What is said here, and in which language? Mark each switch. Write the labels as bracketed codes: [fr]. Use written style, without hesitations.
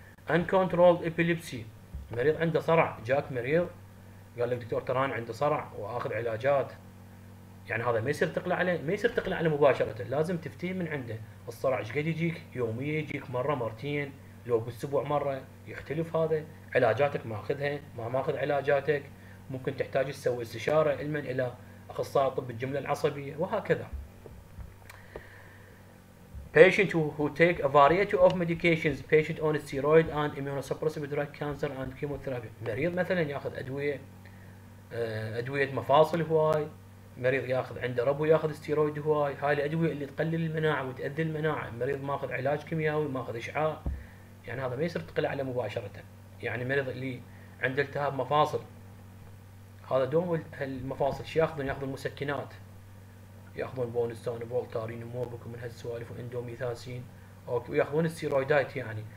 [en] Uncontrolled epilepsy، [ar] مريض عنده صرع، جاك مريض قال لك دكتور تران عنده صرع واخذ علاجات، يعني هذا ما يصير تقلع عليه؟ ما يصير تقلع عليه مباشره، لازم تفتيه من عنده. الصرع ايش قد يجيك؟ يوميا يجيك مره مرتين، لو بالاسبوع مره، يختلف هذا، علاجاتك ماخذها ما ماخذ علاجاتك، ممكن تحتاج تسوي استشاره علما الى اخصائي طب الجمله العصبيه وهكذا. [en] Patient who take a variety of medications, patient on steroid and immunosuppressive drug, cancer and chemotherapy. [ar] مريض مثلا ياخذ ادويه مفاصل هواي، مريض ياخذ عنده ربو ياخذ ستيرويد هواي، هاي الادويه اللي تقلل المناعه وتاذي المناعه، مريض ماخذ علاج كيميائي، ماخذ اشعاع، يعني هذا ما يصير تقلع عليه مباشره. يعني مريض اللي عنده التهاب مفاصل هذا دوم المفاصل شي ياخذون مسكنات، ياخذون بونستون وفولتارين وموبك ومن هالسوالف واندوميثاسين اوكي، وياخذون الستيرويدات يعني.